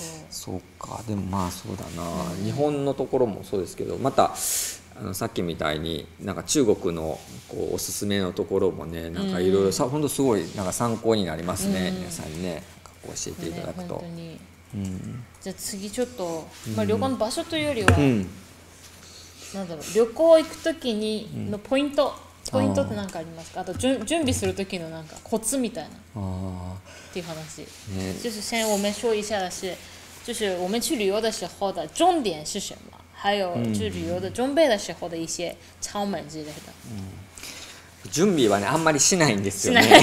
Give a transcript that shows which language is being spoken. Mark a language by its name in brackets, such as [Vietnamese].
[Japanese] そうか、でもまあそうだな、日本のところもそうですけど、またさっきみたいになんか中国のこうおすすめのところもね、なんかいろいろ本当すごいなんか参考になりますね、皆さんにね、教えていただくと、ね、本当に。じゃあ次ちょっと、まあ、旅行の場所というよりは、なんだろう、旅行行く時にのポイント、ポイントって何かありますか。あと準備する時のなんかコツみたいなっていう話、ね、 [Chinese] 就是先我们说一下的是就是我们去旅游的时候的重点是什么，还有去旅游的准备的时候的一些窍门之类的。 [Japanese] 準備はね、あんまりしないんですよね。